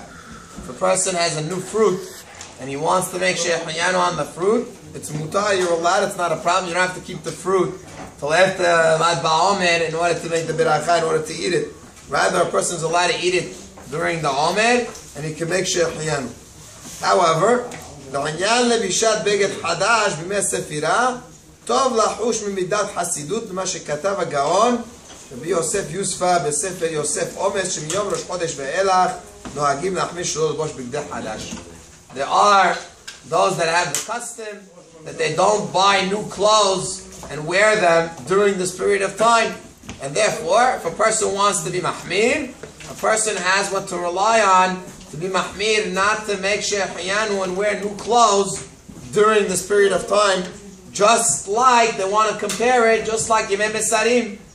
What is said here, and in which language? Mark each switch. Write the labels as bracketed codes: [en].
[en] If a person has a new fruit, and he wants to make she'achiyanu on the fruit, it's mutar, you're allowed, it's not a problem, you don't have to keep the fruit till after lad ba'omer in order to make the berakha, in order to eat it. Rather, a person is allowed to eat it during the omer, and he can make she'achiyanu. [he] However, בעניין לבישת בגד חדש בימי הספירה, טוב לחוש ממידת חסידות למה שכתב הגאון רבי יוסף יוספה בספר יוסף עומס שמיום ראש חודש ואילך נוהגים להחמיש שלא לבוש בגדי חדש. [en] There are those that have the custom that they don't buy new clothes and wear them during this period of time. And therefore, if a person wants to be mahmir, a person has what to rely on to be mahmir, not to make she'achiyanu and wear new clothes during this period of time, just like they want to compare it, just like Yemei Mesarim.